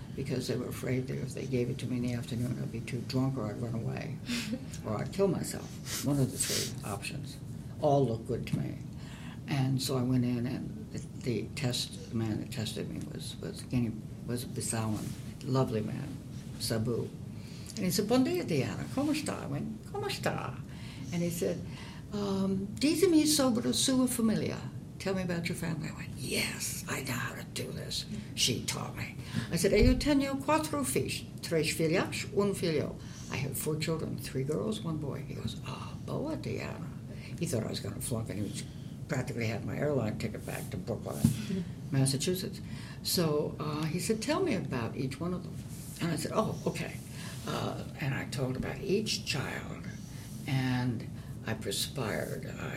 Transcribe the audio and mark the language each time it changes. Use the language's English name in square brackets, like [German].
[English] because they were afraid that if they gave it to me in the afternoon, I'd be too drunk or I'd run away or I'd kill myself. One of the 3 options. All looked good to me. And so I went in, and the man that tested me was a Bissauan, lovely man, Sabu. And he said, [Portuguese] bon dia, Diana, como está? [English] I went, [Portuguese] como está? [English] And he said, [Portuguese] dizem-me sobre sua família. [English] tell me about your family. I went, yes, I know how to do this. She taught me. I said, [Portuguese] eu tenho quatro filhos, três filhas, um filho. [English] I have four children, three girls, one boy. He goes, [Portuguese] ah, boa, [English] Diana. He thought I was going to flunk, and he was practically had my airline ticket back to Brooklyn, Massachusetts. So he said, tell me about each one of them. And I said, oh, okay. And I told about each child, and I perspired.